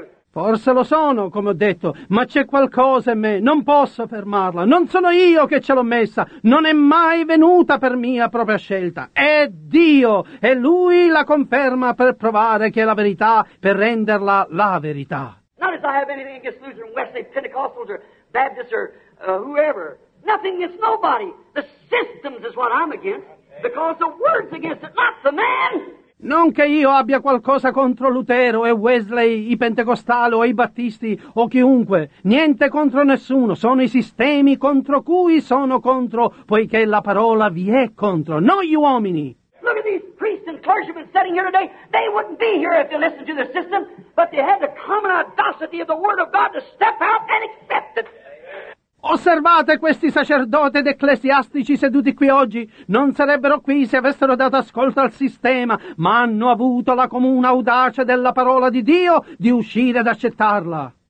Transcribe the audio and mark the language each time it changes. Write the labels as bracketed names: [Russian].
[Italian] Forse lo sono, come ho detto, ma c'è qualcosa in me, non posso fermarla, non sono io che ce l'ho messa, non è mai venuta per mia propria scelta, è Dio, e Lui la conferma per provare che è la verità, per renderla la verità. [English] Not as I have anything against Lutheran, Wesley, Pentecostals, or Baptists, or whoever, nothing against nobody, the systems is what I'm against, because the word's against it, not the man! [Italian] Non che io abbia qualcosa contro Lutero e Wesley, i pentecostali o i battisti o chiunque. Niente contro nessuno. Sono i sistemi contro cui sono contro, poiché la parola vi è contro, non gli uomini. [English] Look at these priests and clergymen sitting here today. They wouldn't be here if they listened to the system, but they had the common audacity of the Word of God to step out and accept it. [Italian] Osservate questi sacerdoti ed ecclesiastici seduti qui oggi. Non sarebbero qui se avessero dato ascolto al sistema, ma hanno avuto la comune audacia della parola di Dio di uscire ed accettarla.